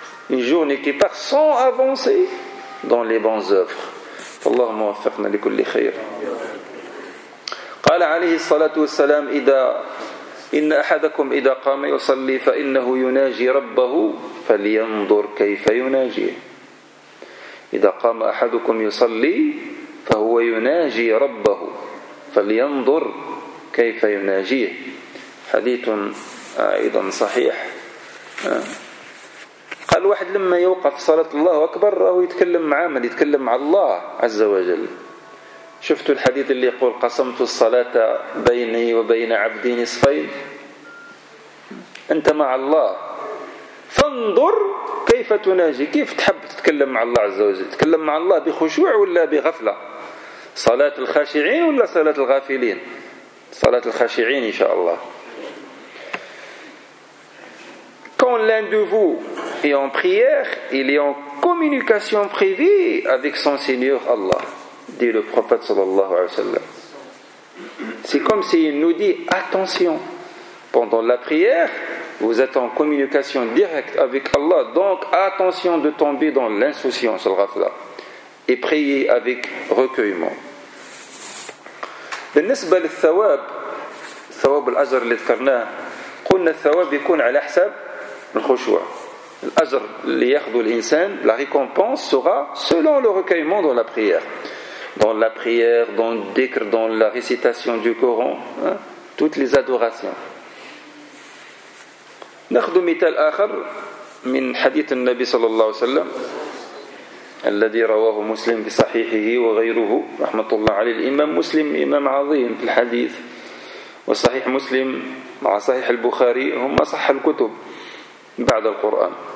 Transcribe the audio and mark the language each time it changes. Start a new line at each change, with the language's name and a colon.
French: Une journée qui part sans avancer dans les bonnes œuvres.
Arabic: Allahumma waffiqna li kulli khayr. قال عليه الصلاة والسلام إن أحدكم إذا قام يصلي فإنه يناجي ربه فلينظر كيف يناجيه. إذا قام أحدكم يصلي فهو يناجي ربه فلينظر كيف يناجيه. حديث أيضا صحيح. قال واحد لما يوقف صلاة الله أكبر هو يتكلم مع من؟ يتكلم مع الله عز وجل. شفت الحديث اللي يقول قسمت الصلاة بيني وبين عبدي نصفين؟ أنت مع الله فانظر كيف تناجي. كيف تحب تتكلم مع الله عز وجل؟ تتكلم مع الله بخشوع ولا بغفلة؟ صلاة الخاشعين ولا صلاة الغافلين؟ صلاة الخاشعين إن شاء الله.
French: Quand l'un de vous est en prière, il est en communication privée avec son Seigneur Allah, dit le prophète
Arabic: sallallahu alayhi wa sallam.
French: C'est comme s'il nous dit attention, pendant la prière vous êtes en communication directe avec Allah, donc attention de tomber dans l'insouciance et prier avec recueillement.
Arabic: بالنسبة للثواب, ثواب الأجر اللي ذكرناه, قلنا الثواب يكون على حسب الخشوع. الأجر اللي يأخذ الإنسان,
French: la récompense sera selon le recueillement dans la prière. Dans la prière, dans le dhikr, dans la récitation du Coran, hein, toutes les adorations.
Arabic: نأخذ مثال آخر من حديث النبي صلى الله عليه وسلم الذي رواه مسلم في صحيحه وغيره رحمة الله عليه. الإمام مسلم إمام عظيم في الحديث, وصحيح مسلم مع صحيح البخاري هم صح الكتب بعد القرآن.